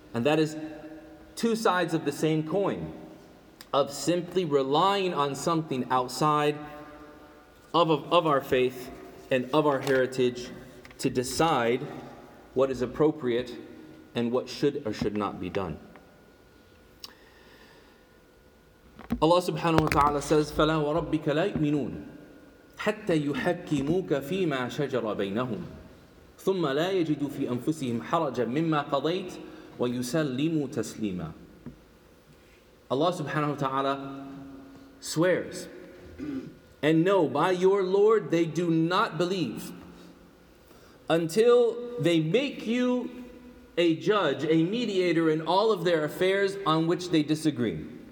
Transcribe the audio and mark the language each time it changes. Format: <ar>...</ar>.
<en>And that is two sides of the same coin, of simply relying on something outside of our faith and of our heritage to decide what is appropriate and what should or should not be done.</en> <ar>Allah subhanahu wa ta'ala</ar> <en>says,</en> <ar>فَلَا وَرَبِّكَ لَا يُؤْمِنُونَ حَتَّى يُحَكِّمُوكَ فِي مَا شَجَرَ بَيْنَهُمْ ثُمَّ لَا يَجِدُوا فِي أَنفُسِهِمْ حَرَجًا مِمَّا قَضَيْتَ وَيُسَلِّمُوا تَسْلِيمًا.</ar> <en>Allah</en> <ar>subhanahu wa ta'ala</ar> <en>swears, and no, by your Lord they do not believe until they make you a judge, a mediator in all of their affairs on which they disagree.</en>